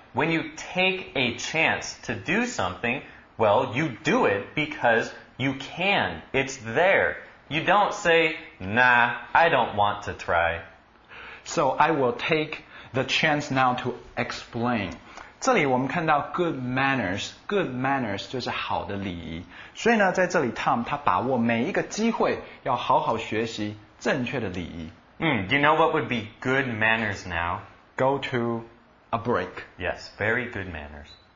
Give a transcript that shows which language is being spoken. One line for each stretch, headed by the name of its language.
English: When you take a chance to do something, well, you do it because... You can. It's there. You don't say, nah, I don't want to try. So I will take the chance now to explain.
Chinese: 这里我们看到 good manners. Good manners 就是好的礼仪。所以呢在这里 Tom 他把握每一个机会要好好学习正确的礼仪。
English: You know what would be good manners now? Go to a break. Yes, very good manners.